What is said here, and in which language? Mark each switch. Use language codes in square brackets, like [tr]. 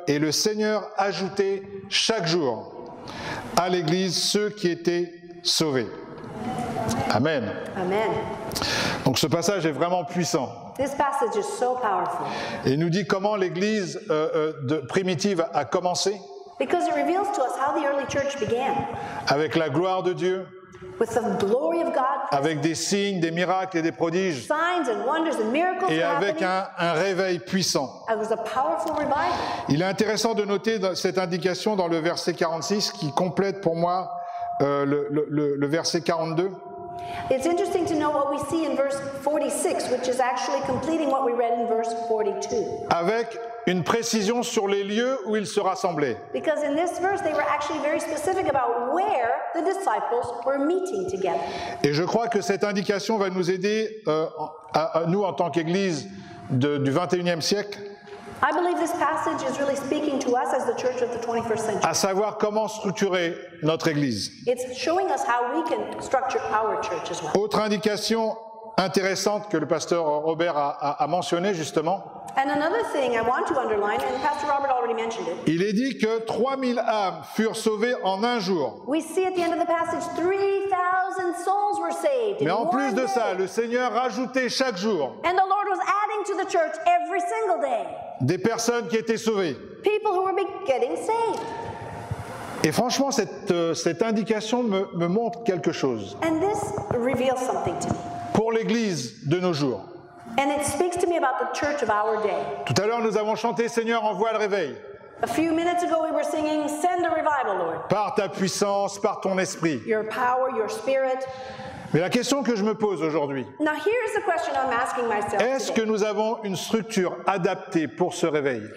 [fr] Et le Seigneur ajoutait chaque jour à l'Église ceux qui étaient sauvés. Amen. [en] Amen. [fr] Donc ce passage est vraiment puissant. [en] This passage is so powerful. [fr] Il nous dit comment l'Église primitive a commencé. [en] Because it reveals to us how the early church began. [fr] Avec la gloire de Dieu. [en] with the glory of God, [fr] avec des signes, des miracles et des prodiges, [en] signs and wonders and miracles, [fr] et avec un réveil puissant. [en] It was a powerful revival. [fr] Il est intéressant de noter cette indication dans le verset 46 qui complète pour moi le verset 42. [en] It's interesting to know what we see in verse 46, which is actually completing what we read in verse 42. [fr] Avec une précision sur les lieux où ils se rassemblaient. [en] Because in this verse, they were actually very specific about where the disciples were meeting together. [fr] Et je crois que cette indication va nous aider nous en tant qu'église du 21e siècle. [en] I believe this passage is really speaking to us as the church of the 21st century. [fr] À savoir comment structurer notre église. [en] It's showing us how we can structure our church as well. [fr] Autre indication intéressante que le pasteur Robert a mentionné justement. [en] And another thing I want to underline, and Pastor Robert already mentioned it. [fr] Il est dit que 3000 âmes furent sauvées en un jour. [en] We see at the end of the passage 3000 souls were saved. [fr] Mais en plus de ça, [en] day. [fr] Le Seigneur rajoutait chaque jour. [en] And the Lord was adding to the church every single day. [fr] Des personnes qui étaient sauvées. [en] People who were getting saved. [fr] Et franchement, cette indication me montre quelque chose. [en] And this reveals something to me. [fr] Pour l'Église de nos jours. [en] And it speaks to me about the church of our day. [fr] Tout à l'heure, nous avons chanté « Seigneur, envoie le réveil ». [en] A few minutes ago, we were singing « Send a revival, Lord ». [fr] Par ta puissance, par ton esprit. [en] Your power, your spirit. [fr] Mais la question que je me pose aujourd'hui, [en] now, here's the question I'm asking myself [fr] est-ce [en] today. [fr] Que nous avons une structure adaptée pour ce réveil?